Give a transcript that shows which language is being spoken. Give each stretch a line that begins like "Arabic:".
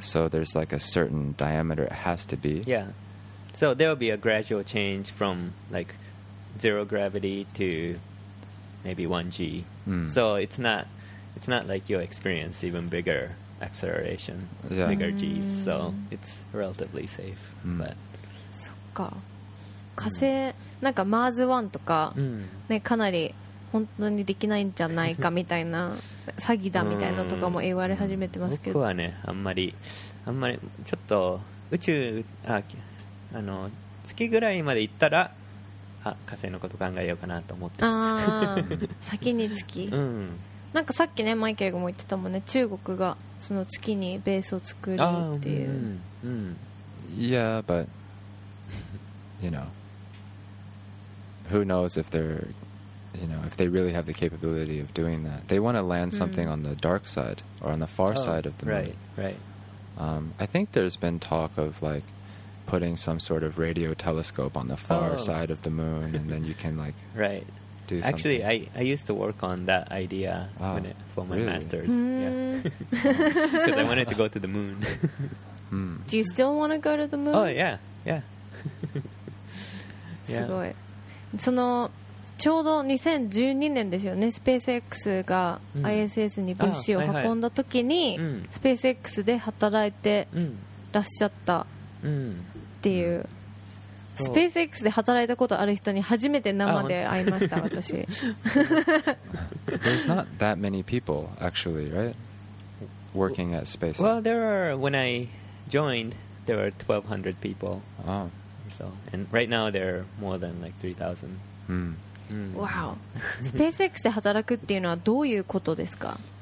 English: So there's like a certain diameter it has to be. Yeah. So there will be a gradual change from like zero gravity to maybe 1G. So it's not like you'll experience even bigger acceleration, yeah. bigger Gs. So it's relatively safe. But.
Japanese: そっか。火星なんかマーズ1とかねかなり。本当にできないんじゃないかみたいな詐欺だみたいなとかも言われ始めてますけど僕はねあんまりちょっと宇宙あの月ぐらいまで行ったらあ火星のこと考えようかなと思ってあ先に月、うん、なんかさっきねマイケルも言ってたもんね中国がその月にベースを作るっていう、
English: Yeah but you know who knows if they'reYou know, if they really have the capability of doing that, they want to land something on the dark side or on the far side of the moon. Right, right. I think there's been talk of like putting some sort of radio telescope on the far side of the moon, and then you can like right. do something. Actually, I used to work on that idea for my really? Masters. Yeah, because I wanted to go to the moon. Do you still want to go to the moon? Oh yeah, yeah.
Japanese: yeah. すごい。そのちょうど2012年ですよねスペース X が ISS に物資を運んだ時に、はいはい、スペース X で働いてらっしゃったっていう、スペース X で働いたことある人に初めて生で会いました私
English: There's not that many people actually, right? Working at SpaceX Well, there are, when I joined, there were 1200 people So, and right now there are more than like 3000 Wow.
Japanese: スペース X で働くっていうのはどういうことですか？